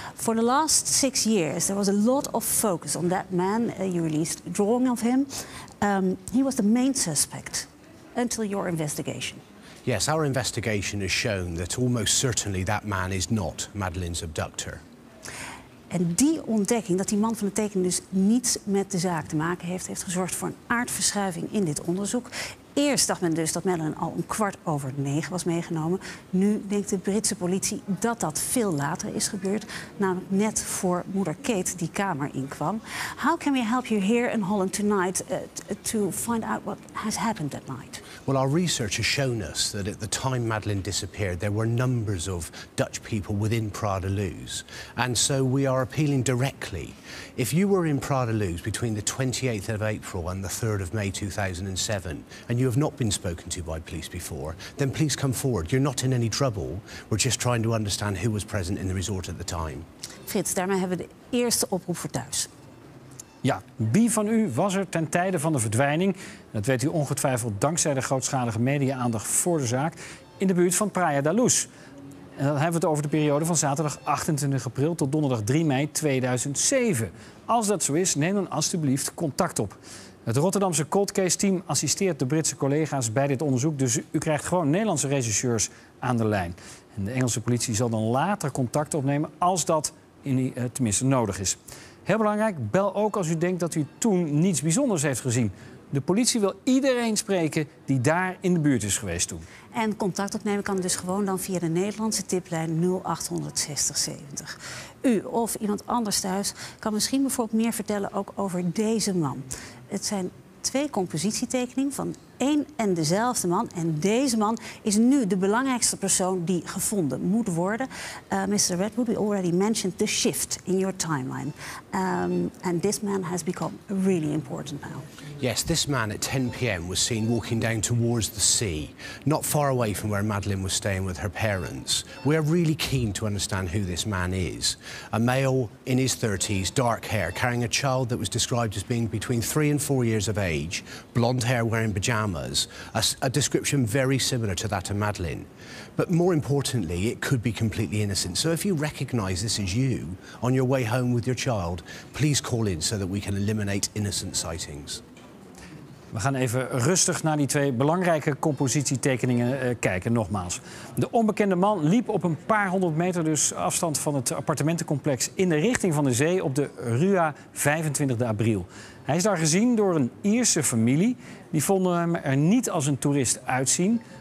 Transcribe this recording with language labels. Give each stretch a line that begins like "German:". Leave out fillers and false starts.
English: For the last 6 years, there was a lot of focus on that man. You released a drawing of him. He was the main suspect until your investigation. Yes, our investigation has shown that almost certainly that man is not Madeleine's abductor.
Dutch: En die ontdekking dat die man van de tekening dus niets met de zaak te maken heeft, heeft gezorgd voor een aardverschuiving in dit onderzoek. Eerst dacht men dus dat Madeleine al 9:15 was meegenomen. Nu denkt de Britse politie dat dat veel later is gebeurd, namelijk net voor moeder Kate die kamer inkwam.
English: How can we help you here in Holland tonight to find out what has happened that night? Well, our research has shown us that at the time Madeleine disappeared, there were numbers of Dutch people within Pradeloos. And so we are appealing directly. If you were in Pradeloos between the 28th of April and the 3rd of May 2007, and you have not been spoken to by police before, then please come forward. You're not in any trouble. We're just trying to understand who was present in the resort at the time.
Dutch: Frits, daarmee hebben we de eerste oproep voor thuis. Ja, wie van u was er ten tijde van de verdwijning? Dat weet u ongetwijfeld dankzij de grootschalige media-aandacht voor de zaak in de buurt van Praia da Luz. En dan hebben we het over de periode van zaterdag 28 april tot donderdag 3 mei 2007. Als dat zo is, neem dan alstublieft contact op. Het Rotterdamse Cold Case Team assisteert de Britse collega's bij dit onderzoek, dus u krijgt gewoon Nederlandse rechercheurs aan de lijn. En de Engelse politie zal dan later contact opnemen als dat tenminste nodig is. Heel belangrijk, bel ook als u denkt dat u toen niets bijzonders heeft gezien. De politie wil iedereen spreken die daar in de buurt is geweest toen. En contact opnemen kan dus gewoon dan via de Nederlandse tiplijn 0800 60 70. U of iemand anders thuis kan misschien bijvoorbeeld meer vertellen ook over deze man. Het zijn twee compositietekeningen van één en dezelfde man. En deze man is nu de belangrijkste persoon die gevonden moet worden.
English: Mr. Redwood, we already mentioned the shift in your timeline. And this man has become really important now. Yes, this man at 10 p.m. was seen walking down towards the sea, not far away from where Madeleine was staying with her parents. We are really keen to understand who this man is. A male in his 30s, dark hair, carrying a child that was described as being between 3 and 4 years of age, blonde hair, wearing pajamas, a description very similar to that of Madeleine. But more importantly, it could be completely innocent. So if you recognize this as you on your way home with your child, please call in so that we can eliminate innocent sightings.
Dutch: We gaan even rustig naar die twee belangrijke compositietekeningen kijken, nogmaals. De onbekende man liep op een paar honderd meter dus afstand van het appartementencomplex in de richting van de zee op de Rua 25 april. Hij is daar gezien door een Ierse familie. Die vonden hem er niet als een toerist uitzien.